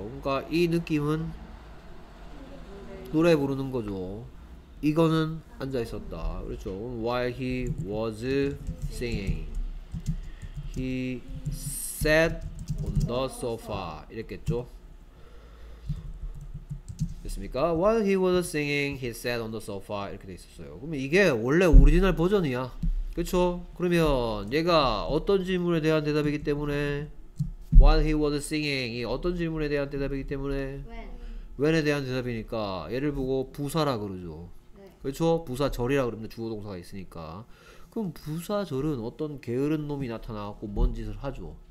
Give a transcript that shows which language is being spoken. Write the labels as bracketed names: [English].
[Korean] 그러니까 이 느낌은 노래 부르는 거죠. 이거는 앉아 있었다. 그렇죠. [English] While he was singing, he sat on the sofa. [Korean] 이랬겠죠? 됐습니까? [English] While he was singing, he sat on the sofa. [Korean] 이렇게 돼 있었어요. 그럼 이게 원래 오리지널 버전이야. 그렇죠? 그러면 얘가 어떤 질문에 대한 대답이기 때문에 [English] While he was singing [Korean] 이 어떤 질문에 대한 대답이기 때문에 When에 대한 대답이니까 얘를 보고 부사라 그러죠. 네. 그렇죠? 부사절이라 그러는데 주어동사가 있으니까 그럼 부사절은 어떤 게으른 놈이 나타나갖고 뭔 짓을 하죠.